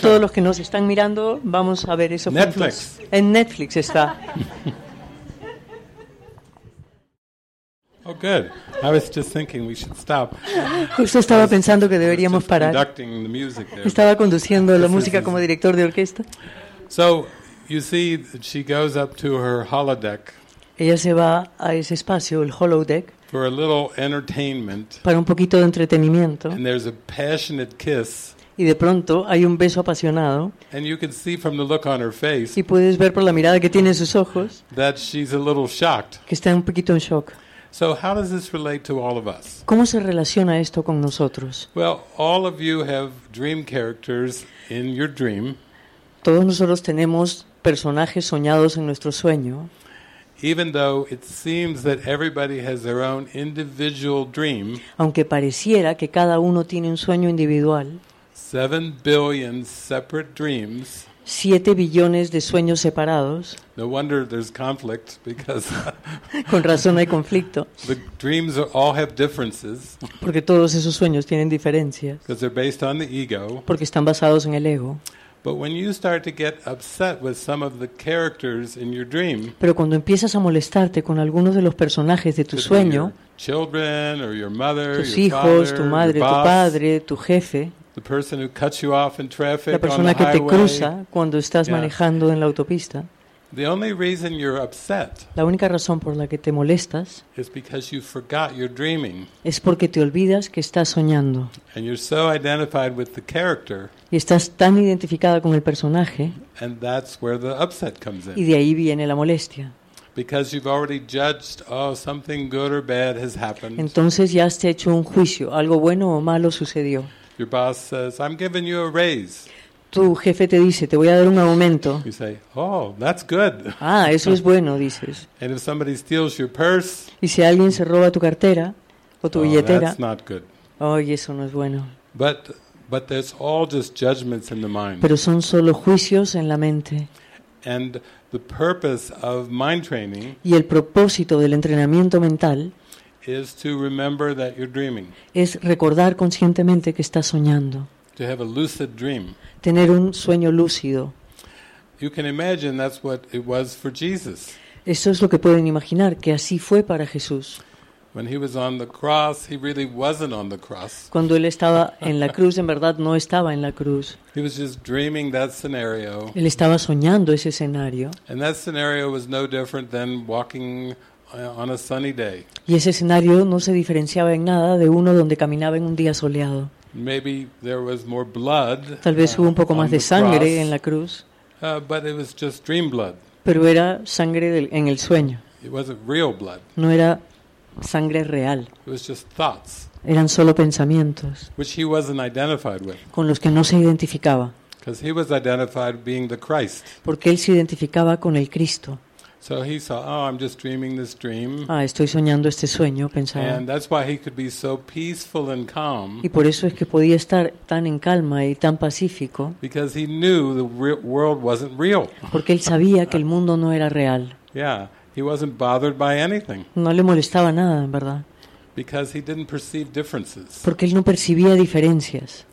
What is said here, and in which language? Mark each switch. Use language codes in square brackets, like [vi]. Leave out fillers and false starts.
[es] Todos los que nos están mirando, vamos a ver eso Netflix. Juntos. En Netflix está. [en] Oh, good. I was just thinking we should stop. [es] Justo estaba pensando que deberíamos parar. [en] Conducting the music there. [es] Estaba conduciendo la música como director de orquesta. [en] So, you see, she goes up to her holodeck. [es] Ella se va a ese espacio, el holodeck. [en] For a little entertainment. [es] Para un poquito de entretenimiento. [en] And there's a passionate kiss. [es] Y de pronto hay un beso apasionado. [en] And you can see from the look on her face. [es] Y puedes ver por la mirada que tiene en sus ojos. [en] That she's a little shocked. [es] Que está un poquito en shock. [en] So how does this relate to all of us? [es] ¿Cómo se relaciona esto con nosotros? [en] Well, all of you have dream characters in your dream. [es] Todos nosotros tenemos personajes soñados en nuestro sueño. [en] Even though it seems that everybody has their own individual dream. [es] Aunque pareciera que cada uno tiene un sueño individual. [en] 7 billion separate dreams. [es] 7 billones de sueños separados. [en] No wonder there's conflict because [es] con razón hay conflicto. [en] The dreams all have differences. [es] Porque todos esos sueños tienen diferencias. [en] Because they're based on the ego. [es] Porque están basados en el ego. [en] But when you start to get upset with some of the characters in your dream. [es] Pero cuando empiezas a molestarte con algunos de los personajes de tu sueño, [en] children or your mother, [es] tus hijos, tu madre, tu padre, tu jefe, [en] the person who cuts you off in traffic on the highway. [es] La persona que te cruza cuando estás manejando en la autopista. [en] The only reason you're upset. [es] La única razón por la que te molestas. [en] Is because you forgot you're dreaming. [es] Es porque te olvidas que estás soñando. [en] And you're so identified with the character. [es] Y estás tan identificada con el personaje. [en] And that's where the upset comes in. [es] Y de ahí viene la molestia. [en] Because you've already judged, oh, something good or bad has happened. [es] Entonces ya has hecho un juicio, algo bueno o malo sucedió. [en] Your boss says, "I'm giving you a raise." [es] Tu jefe te dice, "Te voy a dar un aumento." [en] You say, "Oh, that's good." [es] Ah, eso es bueno, dices. [en] And if somebody steals your purse, [es] y si alguien se roba tu cartera o tu billetera, [en] that's not good. [es] Oh, y eso no es bueno. [en] But there's all just judgments in the mind. [es] Pero son solo juicios en la mente. [en] And The purpose of mind training [es] y el propósito del entrenamiento mental [en] is to remember that you're dreaming. [es] Es recordar conscientemente que estás soñando. [en] To have a lucid dream. [es] Tener un sueño lúcido. [en] You can imagine that's what it was for Jesus. [es] Eso es lo que pueden imaginar, que así fue para Jesús. [en] When he was on the cross, he really wasn't on the cross. [es] Cuando él estaba en la cruz, en verdad no estaba en la cruz. [en] He was just dreaming that scenario. [es] Él estaba soñando ese escenario. [en] And that scenario was no different than walking on a sunny day. [es] Y ese escenario no se diferenciaba en nada de uno donde caminaba en un día soleado. [en] Maybe there was more blood. [es] Tal vez hubo un poco más de sangre en la cruz. [en] But it was just dream blood. [es] Pero era sangre en el sueño. [en] It wasn't real blood. [es] No era sangre real. [en] It was just thoughts. [es] Eran solo pensamientos. [en] Which he wasn't identified with. [es] Con los que no se identificaba. [en] Because he was identified being the Christ. [es] Porque él se identificaba con el Cristo. [en] So he saw, oh, I'm just dreaming this dream. [es] Ah, estoy soñando este sueño, pensaba. [en] And that's why he could be so peaceful and calm. [es] Y por eso es que podía estar tan en calma y tan pacífico. [en] Because he knew the world wasn't real. [es] Porque él sabía que el mundo no era real. [en] Yeah, he wasn't bothered by anything. [es] No le molestaba nada, en verdad. [en] Because he didn't perceive differences. [es] Porque él no percibía diferencias.